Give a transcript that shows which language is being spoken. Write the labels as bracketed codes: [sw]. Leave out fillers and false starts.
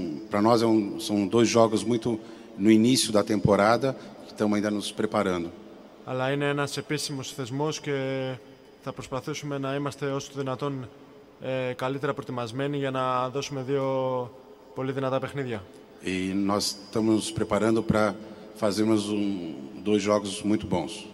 [pt] Para nós são dois jogos muito no início da temporada que estamos ainda nos preparando. [el] Αλλά είναι ένας επίσημος θεσμός και θα προσπαθήσουμε να είμαστε όσο το δυνατόν καλύτερα προετοιμασμένοι για να δώσουμε δύο πολύ δυνατά παιχνίδια. [pt] E nós estamos preparando para fazermos dois jogos muito bons.